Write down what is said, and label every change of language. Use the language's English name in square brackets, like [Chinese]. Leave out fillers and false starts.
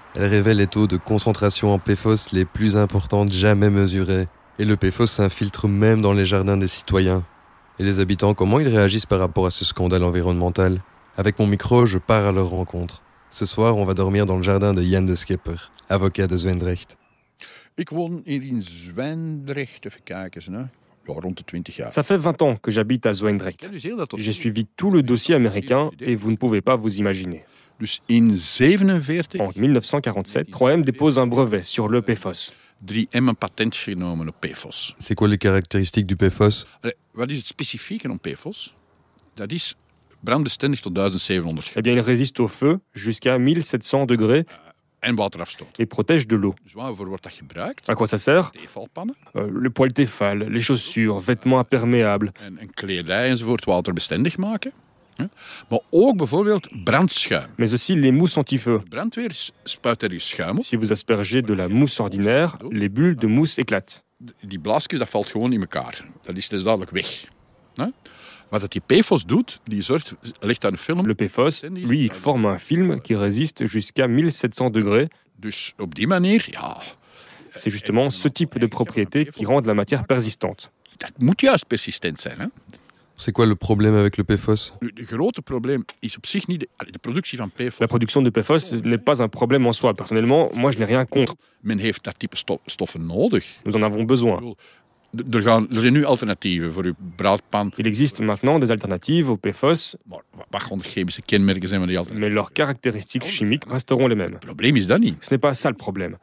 [French] Elles révèlent les taux de concentration en PFOS les plus importantes jamais mesurées. Et le PFOS s'infiltre même dans les jardins des citoyens. Et les habitants, comment ils réagissent par rapport à ce scandale environnemental? Avec mon micro, je pars à leur rencontre. Ce soir, on va dormir dans le jardin de Jan de Skepper, avocat de Zwijndrecht. [Dutch] Ik woon hier in Zwijndrecht, even kijken eens, hè. Ja, rond de 20 jaar. [French] Ça fait 20 ans que j'habite à Zwijndrecht. J'ai suivi tout le dossier américain et vous ne pouvez pas vous imaginer. [Dutch] Dus in 1947... [French] En 1947, 3M dépose un brevet sur le PFOS. [Dutch] 3M een patent genomen op PFOS. [French] C'est quoi les caractéristiques du PFOS? [Dutch] Wat is het spécifieke aan PFOS? Dat is brandbestendig tot 1700 graden. [French] Eh bien, il résiste au feu jusqu'à 1700 degrés. [Dutch] En waterafstoot. [French] Et protège de l'eau. [Dutch] Dus waarvoor wordt dat gebruikt? [French] À quoi ça sert? [Dutch] Tefalpannen. [French] Le poil tefal, les chaussures, vêtements imperméables. [Dutch] En kledij enzovoort, waterbestendig maken. Maar ook bijvoorbeeld brandschuim. [French] Mais aussi les mousses anti-feu. [Dutch] Brandweer spuit er schuim op. [French] Si vous aspergez de la mousse ordinaire, les bulles de mousse éclatent. [Dutch] Die blaasjes, dat valt gewoon in elkaar. Dat is dus duidelijk weg. Wat dat die PFOS doet, die zorgt, legt aan een film. [French] Le PFOS, lui, il forme un film qui résiste jusqu'à 1700 degrés. [Dutch] Dus op die manier, ja. [French] C'est justement ce type de propriété qui rend la matière persistante. [Dutch] Dat moet juist persistent zijn, hein? [French] C'est quoi le problème avec le PFOS? Le grand problème, c'est [Dutch] op zich niet de productie van PFOS. [French] La production de PFOS n'est pas un problème en soi. Personnellement, moi, je n'ai rien contre. [Dutch] Men heeft dat type stoffen nodig. [French] Nous en avons besoin. [Dutch] Er zijn nu alternatieven voor uw braadpan. [French] Il existe maintenant des alternatives au PFOS. [Dutch] Maar wat gaan de chemische kenmerken zijn van die alternatieven? [French] Mais leurs caractéristiques chimiques resteront les mêmes. Le problème [Dutch] is dat niet. [French] Ce n'est pas ça le problème.